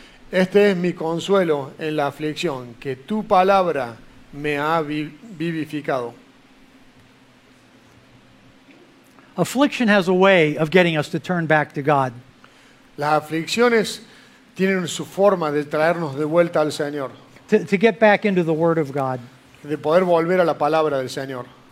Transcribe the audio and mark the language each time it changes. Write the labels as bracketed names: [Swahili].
[Spanish] Este es mi consuelo en la aflicción, que tu palabra me ha vivificado. [English] Affliction has a way of getting us to turn back to God. [Spanish] Las aflicciones tienen su forma de traernos de vuelta al Señor. [English] To get back into the Word of God. [Spanish] De poder volver a la palabra del Señor.